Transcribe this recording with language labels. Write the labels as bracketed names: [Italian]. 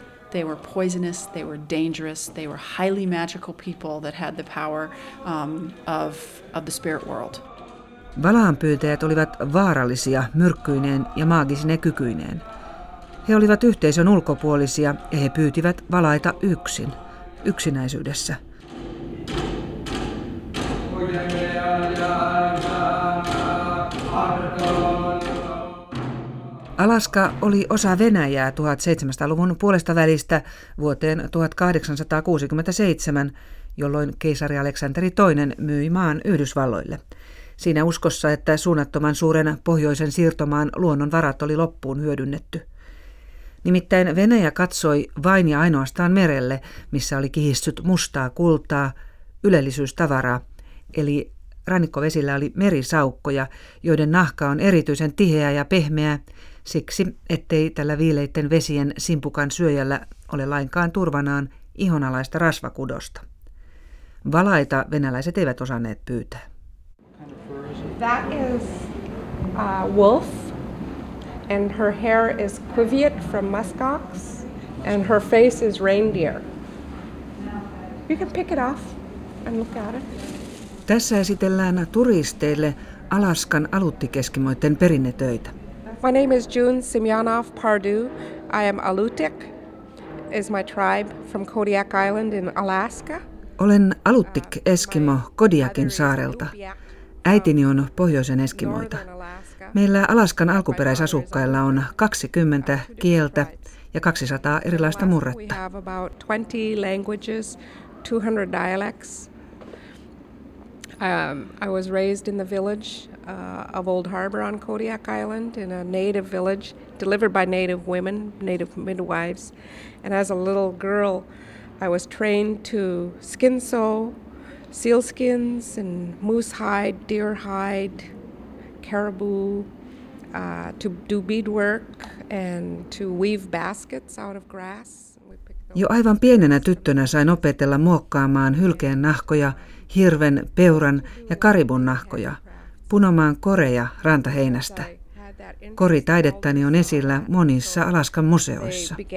[English] They were poisonous, they were dangerous, they were highly magical people that had the power of the spirit world. [Finnish] Valaanpyyntäjät olivat vaarallisia, myrkkyineen ja maagisine kykyineen. He olivat yhteisön ulkopuolisia ja he pyytivät valaita yksin, yksinäisyydessä. Alaska oli osa Venäjää 1700-luvun puolesta välistä vuoteen 1867, jolloin keisari Aleksanteri II myi maan Yhdysvalloille. Siinä uskossa, että suunnattoman suuren pohjoisen siirtomaan luonnonvarat oli loppuun hyödynnetty. Nimittäin Venäjä katsoi vain ja ainoastaan merelle, missä oli kihissyt mustaa kultaa, ylellisyystavaraa, eli rannikkovesillä oli merisaukkoja, joiden nahka on erityisen tiheä ja pehmeä, siksi, ettei tällä viileitten vesien simpukan syöjällä ole lainkaan turvanaan ihonalaista rasvakudosta. Valaita venäläiset eivät osanneet pyytää. [English] That is a wolf, and her hair is kuviet from muskox, and her face is reindeer. You can pick it off and look at it. [Finnish] Tässä esitellään turisteille Alaskan aluuttikeskimoiden perinnetöitä. [English] My name is June Semyonov Pardu. I am Aleutic. Is my tribe from Kodiak Island in Alaska. [Finnish] Olen Aleutic Eskimo Kodiakin saarelta. Äitini on pohjoisen eskimoita. Meillä Alaskan alkuperäisasukkailla on 20 kieltä ja 200 erilaista murretta. [English] We have about 20 languages, 200 dialects. I was raised in the village of Old Harbor on Kodiak Island in a native village delivered by native women, native midwives. And as a little girl, I was trained to skin sew, seal skins and moose hide, deer hide, caribou, to do beadwork and to weave baskets out of grass. [Finnish] Jo aivan pienenä tyttönä sain opetella muokkaamaan hylkeen nahkoja, hirven, peuran ja karibun nahkoja, punomaan koreja rantaheinästä. Koritaidettani on esillä monissa Alaskan museoissa.